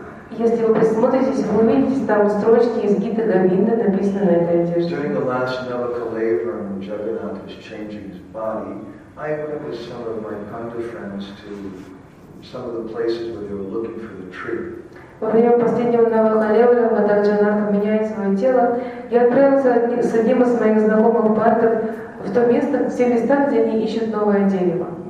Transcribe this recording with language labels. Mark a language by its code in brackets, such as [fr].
[ru] Если вы присмотритесь, вы увидите там строчки из Гита Говинда, написанные на этой одежде. [en] During the last Navakalevaram, when Jagannath was changing his body, I went with some of my Pandu friends to some of the places where they were looking for the tree. [ru] Во время последнего Навакалевара, когда Джагнатха меняет свое тело, я отправился с одним из моих знакомых пандов в то место, в те места, где они ищут новое дерево.